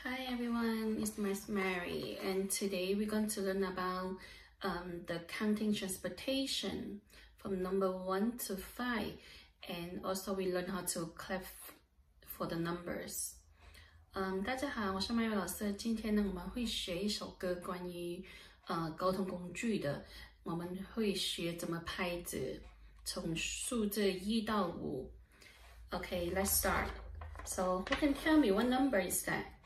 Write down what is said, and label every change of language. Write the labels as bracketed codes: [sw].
[en] everyone, it's Miss Mary, and today we're going to learn about the counting transportation from number 1 to 5, and also we learn how to clap for the numbers. [zh] 大家好，我是 Mary 老师。今天呢，我们会学一首歌，关于沟通工具的。我们会学怎么拍子，从数字一到五。 [en] Okay, let's start. So, who can tell me what number is that?